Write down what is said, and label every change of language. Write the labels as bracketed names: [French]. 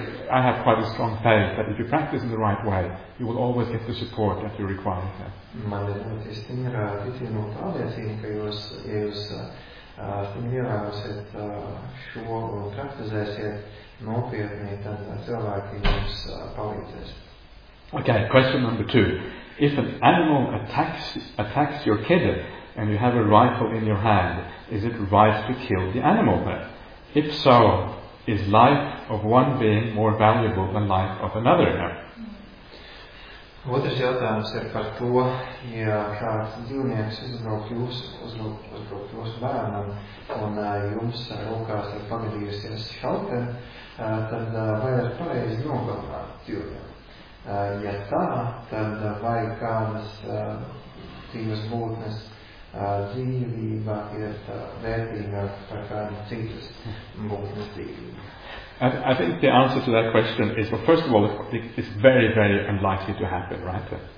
[English] I have quite a strong faith that if you practice in the right way, you will always get the support that you require. [Latvian] Man ir ļoti stingra ticība un pārliecība, ka jūs, ja jūs ievērosiet šo un praktizēsiet nopietni, tad cilvēki jums palīdzēs. [English] Okay, question number two. If an animal attacks your kid and you have a rifle in your hand, is it right to kill the animal? If so, is life of one being more valuable than life of another? [Latvian] Otrs jautājums ir par to, ja kāds dzīvnieks uzbrauk jūsu bērnam un jums rokās ir pagadījusies šaute, tad vai ir pareizi nogalināt dzīvnieku? Ja tā, tad vai kādas dzīves būtnes dzīvība ir vērtīgāka par kādu citus būtnes dzīvību? [English] I think the answer to that question is, well, first of all, it's very, very unlikely to happen, right?